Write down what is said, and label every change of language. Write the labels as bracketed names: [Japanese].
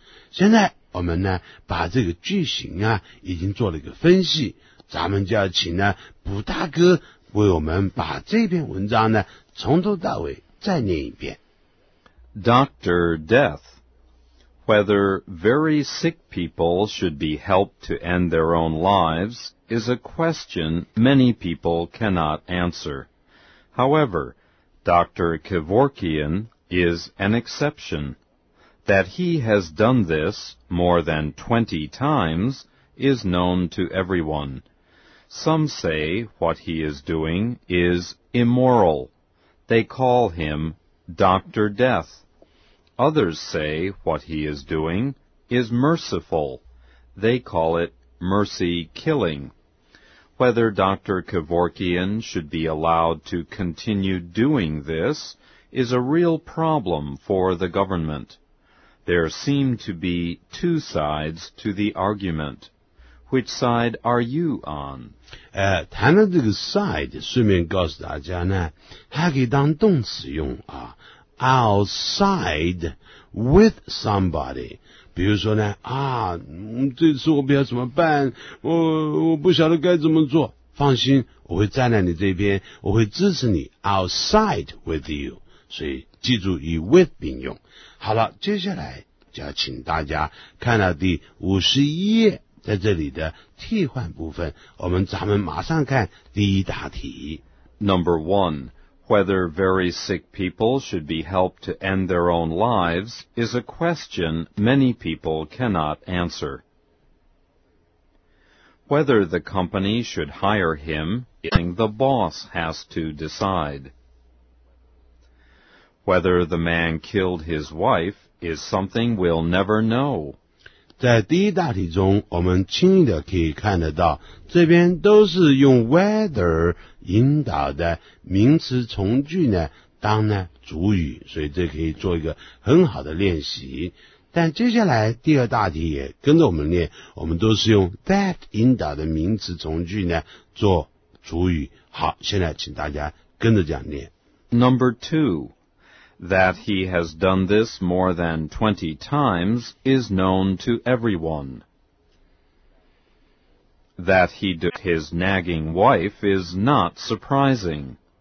[Chinese] 现在我们呢把这个句型啊已经做了一个分析，咱们就要请呢卜大哥为我们把这篇文章呢从头到尾再念一遍。 [English] Dr. Death, whether very sick people should be helped to end their own lives is a question many people cannot answer. However, Dr. Kevorkian is an exception. That he has done this more than 20 times is known to everyone. Some say what he is doing is immoral. They call him Dr. Death. Others say what he is doing is merciful. They call it mercy killing. Whether Dr. Kevorkian should be allowed to continue doing this is a real problem for the government. There seem to be two sides to the argument. Which side are you on? [Chinese] 谈论这个 side, 顺便告诉大家呢，它可以当动词用啊。 [English] Outside with somebody, [Chinese] 比如说呢，啊，这次我不晓得怎么办，我不晓得该怎么做。放心，我会站在你这边，我会支持你。 [English] Outside with you, [Chinese] 所以记住以 with 并用。好了，接下来就要请大家看到第51页。在这里的替换部分，咱们马上看第一大题。 [English] Number one, whether very sick people should be helped to end their own lives is a question many people cannot answer. Whether the company should hire him, the boss has to decide. Whether the man killed his wife is something we'll never know. [Chinese] 在第一大题中，我们轻易的可以看得到，这边都是用 whether 引导的名词从句呢，当呢主语，所以这可以做一个很好的练习。但接下来第二大题也跟着我们练，我们都是用 that 引导的名词从句呢做主语。好，现在请大家跟着这样练。 [English] Number two. That he has done this more than 20 times is known to everyone. That he did his nagging wife is not surprising.